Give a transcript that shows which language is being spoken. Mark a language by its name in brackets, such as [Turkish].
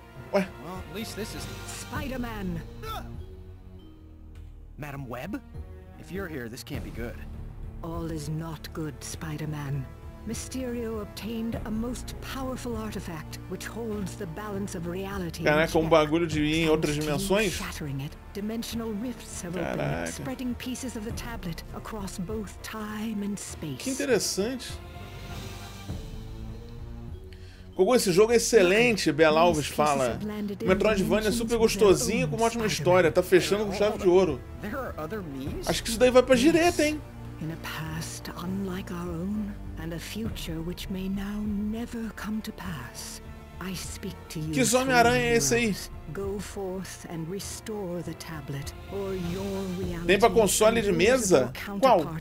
[English] What? Well, at least this is. Spider-Man! Madam Web? If you're here, this can't be good. All is not good, Spider-Man. Mysterio obtained a most powerful artifact, which holds the balance of reality. [Portuguese] Caraca, um bagulho de ir em outras dimensões? [English] Shattering it, dimensional rifts have opened, spreading pieces of the tablet across both time and space. [Portuguese] Que interessante. Gogo, esse jogo é excelente, Bela Alves fala. Metroidvania é super gostosinho com uma ótima história. Tá fechando com chave de ouro. Acho que isso daí vai pra direita, hein? [English] In a past unlike our own, and a future which may now never come to pass, I speak to you. [Portuguese] Que Homem-Aranha é esse aí? [English] Go forth and restore the tablet, or your reality. [Portuguese] Tem pra console de mesa? Qual?